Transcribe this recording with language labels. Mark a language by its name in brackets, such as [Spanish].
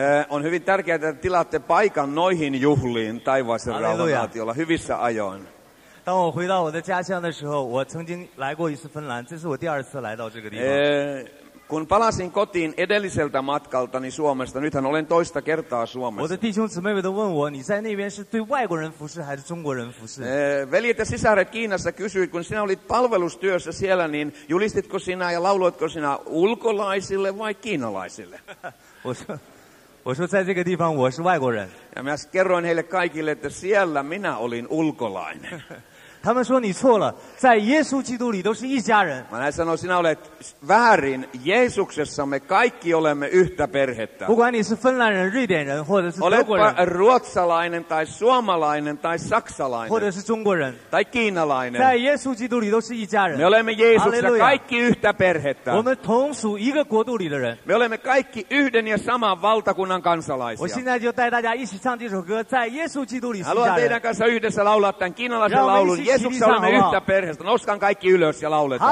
[Finnish] On hyvin tärkeää, että tilaatte paikan noihin juhliin taivaaseen rauhanaatiolla hyvissä ajoin. [Chinese] 当我回到我的家乡的时候，我曾经来过一次芬兰，这是我第二次来到这个地方。 [Finnish] Kun palasin kotiin edelliseltä matkaltani Suomesta, nythän olen toista kertaa Suomessa. [Chinese] 我的弟兄姊妹们都问我，你在那边是对外国人服侍还是中国人服侍？ [Finnish] Veljet ja sisaret Kiinassa kysyivät, kun sinä olit palvelustyössä siellä, niin julistitko sinä ja lauloitko sinä ulkolaisille vai kiinalaisille? [Chinese] 我说在这个地方我是外国人。 [Finnish] Ja minä kerroin heille kaikille, että siellä minä olin ulkolainen. [Chinese] 他们说你错了，在耶稣基督里都是一家人。 [Finnish] Minä sanoin, sinä olet väärin, Jeesuksessa me kaikki olemme yhtä perhettä. [Chinese] 不管你是芬兰人、瑞典人或者是德国人。 [Finnish] Oletpa ruotsalainen tai suomalainen tai saksalainen. [Chinese] 或者是中国人。 [Finnish] Tai kiinalainen. [Chinese] 在耶稣基督里都是一家人。 [Finnish] Me olemme Jeesuksessa kaikki yhtä perhettä. [Chinese] 我们同属一个国度里的人。 [Finnish] Me olemme kaikki yhden ja saman valtakunnan kansalaisia. [Chinese] 我现在就带大家一起唱这首歌，在耶稣基督里是一家人。 [Finnish] Haluan teidän kanssa yhdessä laulaa tämän kiinalaisen laulun. Jeesuksessa olemme yhtä perheestä. Nouskaan kaikki ylös ja lauletaan.